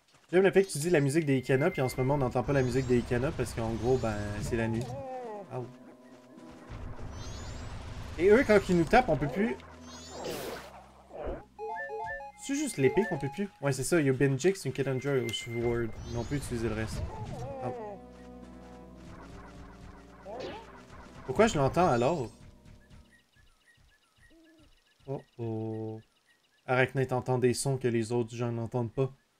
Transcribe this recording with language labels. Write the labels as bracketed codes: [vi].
[fr] J'aime le fait que tu dis la musique des Ikana, puis en ce moment on n'entend pas la musique des Ikana parce qu'en gros, ben, c'est la nuit. Oh. Et eux, quand ils nous tapent, on peut plus. C'est juste l'épée qu'on peut plus. Ouais, c'est ça. [en] You've been jinxed, you can't enjoy your sword. [fr] Non plus utiliser le reste. Oh. Pourquoi je l'entends alors? Oh oh. Arachnite entend des sons que les autres gens n'entendent pas.